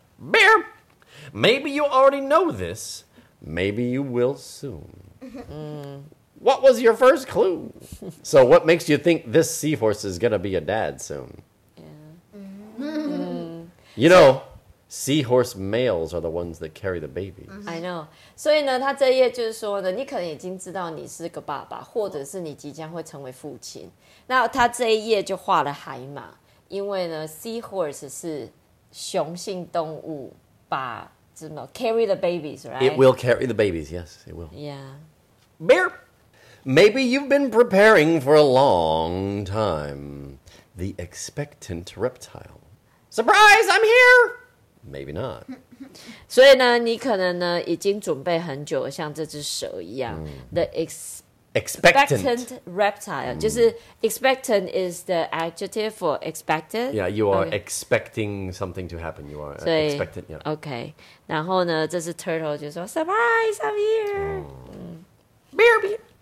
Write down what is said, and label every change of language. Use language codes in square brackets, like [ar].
[en] Beer! Maybe you already know this. Maybe you will soon. What was your first clue? So what makes you think this seahorse is going to be a dad soon? You know... Seahorse males are the ones that carry the baby. I know. [zh] 所以呢，他这页就是说呢，你可能已经知道你是个爸爸，或者是你即将会成为父亲。那他这页就画了海马，因为呢 ，seahorse 是雄性动物，把什么 [en] carry the babies, right? It will carry the babies. Yes, it will. Yeah. Bear. Maybe you've been preparing for a long time. The expectant reptile. Surprise! I'm here. Maybe not. [zh] 所以呢，你可能呢已经准备很久了，像这只蛇一样。 [en] The expectant reptile, [zh] 就是 [en] expectant is the adjective for expected. Yeah, you are expecting something to happen. You are expectant. Yeah. [zh] Okay. 然后呢，这只 turtle 就说 ， [en] Surprise, I'm here. Beer, beer.